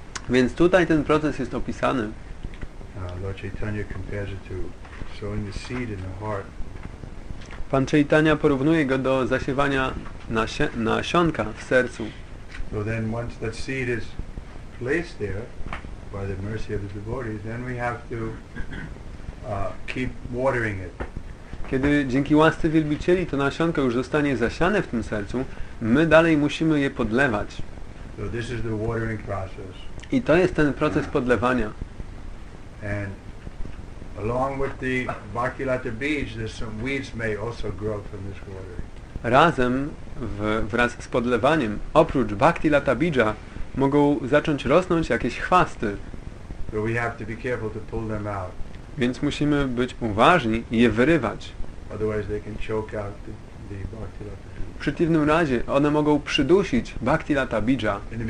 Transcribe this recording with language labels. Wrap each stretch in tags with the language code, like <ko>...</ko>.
<pl>Więc tutaj ten proces jest opisany.</pl> <en>Lord Chaitanya compares it to sowing the seed in the heart.</en> <pl>Pan Chaitanya porównuje go do zasiewania nasionka w sercu.</pl> <en>So then once that seed is placed there by the mercy of the devotee, then we have to keep watering it.</en> <pl>Kiedy dzięki łasce wielbicieli to nasionko już zostanie zasiane w tym sercu, my dalej musimy je podlewać.</pl> <en>So this is the watering process.</en> <pl>I to jest ten proces podlewania.</pl> <en>And along with the bhakti lata beads, there's some weeds may also grow from this watering.</en> <pl>Razem wraz z podlewaniem, oprócz bhakti lata bidża, mogą zacząć rosnąć jakieś chwasty.</pl> <en>So we have to be careful to pull them out.</en> <pl>Więc musimy być uważni i je wyrywać.</pl> <en>Otherwise they can choke out the bhakti lata bidża.</en> <pl>W przeciwnym razie one mogą przydusić bhakti lata bidża.</pl>